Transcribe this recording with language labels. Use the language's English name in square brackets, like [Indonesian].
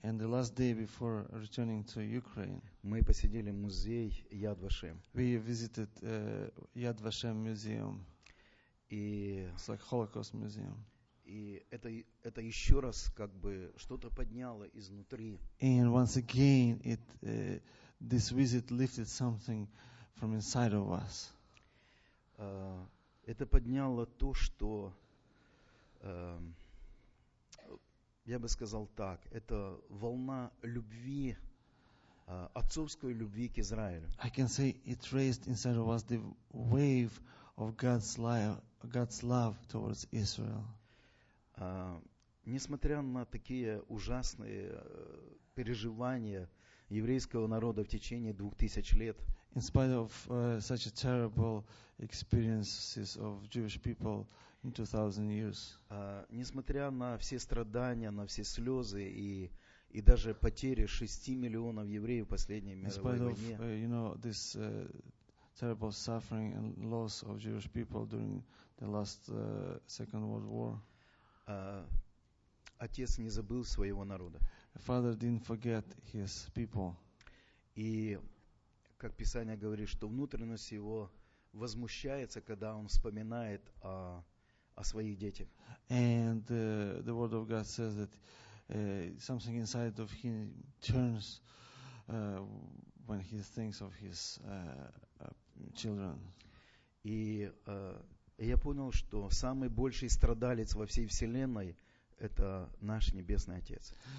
[English] And the last day before returning to Ukraine. [Russian] Мы посетили музей Yad Vashem. [English] We visited Yad Vashem Museum. [Russian] И [English] it's like Holocaust Museum. [Russian] И это еще раз как бы что-то подняло изнутри. [English] And once again, this visit lifted something from inside of us. [Russian] Это подняло то, что я бы сказал так, это волна любви, отцовской любви к Израилю. [English] I can say it raised inside of us the wave of God's love towards Israel. [Russian] Несмотря на такие ужасные переживания еврейского народа в течение 2000 лет. [English] In spite of such a terrible experiences of Jewish people in 2000 years. [Russian] Несмотря на все страдания, на все слезы и даже потери 6 миллионов евреев в последней мировой войне. [English] In spite of this terrible suffering and loss of Jewish people during the last Second World War. [Russian] Отец не забыл своего народа. [English] Father didn't forget his people. [Russian] И как Писание говорит, что внутренность его возмущается, когда он вспоминает о своих детях. [English] And the word of God says that something inside of him turns when he thinks of his children. [Russian] И я понял, что самый больший страдалец во всей вселенной — это наш небесный Отец.